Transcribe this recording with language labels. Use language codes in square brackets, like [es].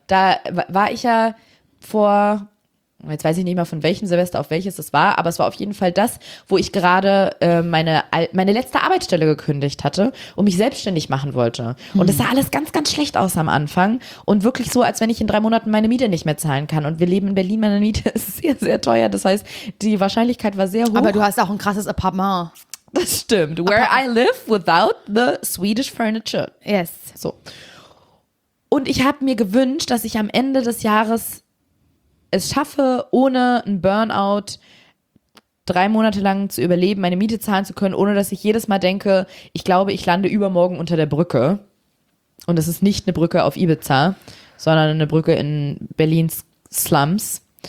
[de] Da war ich ja vor, jetzt weiß ich nicht mehr von welchem Silvester auf welches es war, aber es war auf jeden Fall das, wo ich gerade meine letzte Arbeitsstelle gekündigt hatte und mich selbstständig machen wollte. Hm. Und es sah alles ganz, ganz schlecht aus am Anfang und wirklich so, als wenn ich in 3 Monaten meine Miete nicht mehr zahlen kann. Und wir leben in Berlin, meine Miete ist sehr, sehr teuer. Das heißt, die Wahrscheinlichkeit war sehr hoch. Aber du hast auch ein krasses Apartment. Das stimmt. [en] Where I live without the Swedish furniture. Yes. So. [de] Und ich habe mir gewünscht, dass ich am Ende des Jahres es schaffe, ohne einen Burnout 3 Monate lang zu überleben, meine Miete zahlen zu können, ohne dass ich jedes Mal denke, ich glaube, ich lande übermorgen unter der Brücke. Und es ist nicht eine Brücke auf Ibiza, sondern eine Brücke in Berlins Slums.